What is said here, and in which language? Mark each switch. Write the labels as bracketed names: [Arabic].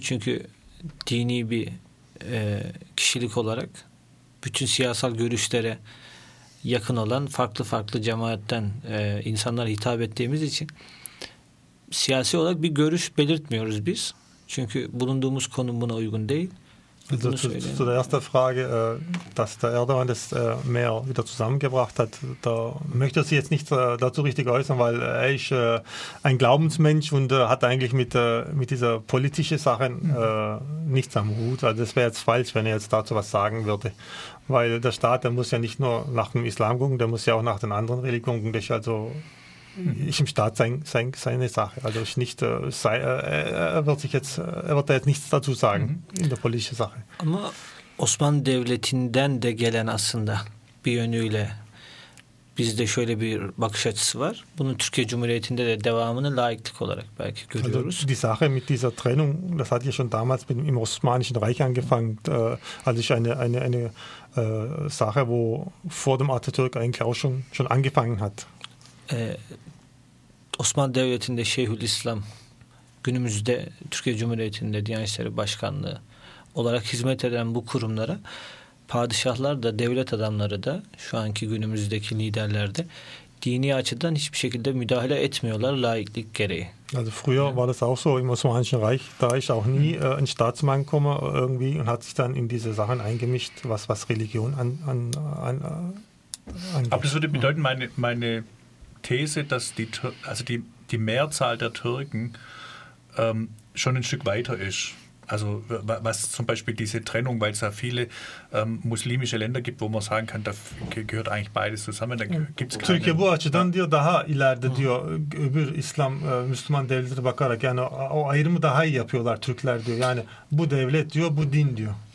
[Turkish] Çünkü dini bir kişilik olarak bütün siyasal görüşlere yakın olan farklı farklı cemaatten insanlara hitap ettiğimiz için siyasi olarak bir görüş belirtmiyoruz biz. Çünkü bulunduğumuz konum buna uygun değil. [German] Zu der ersten Frage, dass der Erdoğan das mehr wieder zusammengebracht hat, da möchte ich jetzt nicht dazu richtig äußern, weil er ist ein Glaubensmensch und hat eigentlich mit dieser politischen Sache nichts am Hut. Also das wäre jetzt falsch, wenn er jetzt dazu was sagen würde. Weil der Staat, der muss ja nicht nur nach dem Islam gucken, der muss ja auch nach den anderen Religionen gucken. Das ist also im Staat seine Sache. Also ich nicht, er wird da jetzt nichts dazu sagen in der politischen Sache. [Turkish] Ama Osmanlı Devleti'nden de gelen aslında bir yönüyle bizde şöyle bir bakış açısı var. Bunu Türkiye Cumhuriyeti'nde de devamını laiklik olarak belki görüyoruz. [German] Also die Sache mit dieser Trennung, das hat ja schon damals im Osmanischen Reich angefangen, als ich eine Sache, wo vor dem Atatürk eigentlich auch schon angefangen hat. [Turkish] Osmanlı Devleti'nde Şeyhülislam, günümüzde Türkiye Cumhuriyeti'nde Diyanet İşleri Başkanlığı olarak hizmet eden bu kurumlara padişahlar da devlet adamları da şu anki günümüzdeki liderler de dini açıdan hiçbir şekilde müdahale etmiyorlar laiklik gereği. [German] Also früher war das auch so im Osmanischen Reich, da ist auch nie ein Staatsmann gekommen irgendwie und hat sich dann in diese Sachen eingemischt, was Religion angeht. Aber das würde bedeuten, meine These, dass die Mehrzahl der Türken schon ein Stück weiter ist. Also was zum Beispiel diese Trennung, weil es da viele muslimische Länder gibt, wo man sagen kann, da gehört eigentlich beides zusammen, da gibt es keine... [Turkish] Türkiye bu açıdan diyor daha ileride diyor öbür İslam, Müslüman devletleri bakarak yani o ayrımı daha iyi yapıyorlar Türkler diyor. Yani bu devlet diyor, bu din diyor.